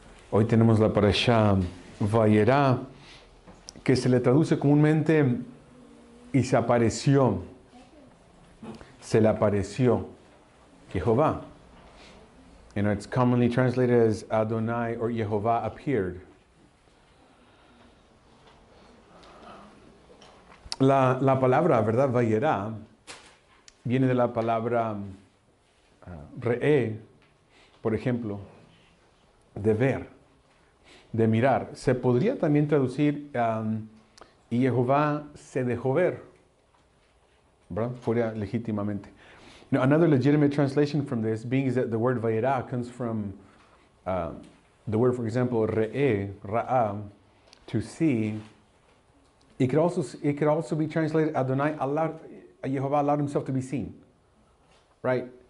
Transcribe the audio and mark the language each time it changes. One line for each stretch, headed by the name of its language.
Spanish: Hoy tenemos la Parasha Vayera, que se le traduce comúnmente y se apareció. Se le apareció Jehová.
English: You know, it's commonly translated as Adonai or Jehovah appeared.
Spanish: La palabra, ¿verdad? Vayera viene de la palabra re'e, por ejemplo, de ver, de mirar. Se podría también traducir y Jehová se dejó ver, ¿verdad? Fuera legítimamente.
English: Now, another legitimate translation from this being is that the word vayera comes from the word, for example, re'e, ra'a, to see. It could also be translated Adonai allowed Yehovah allowed himself to be seen, right?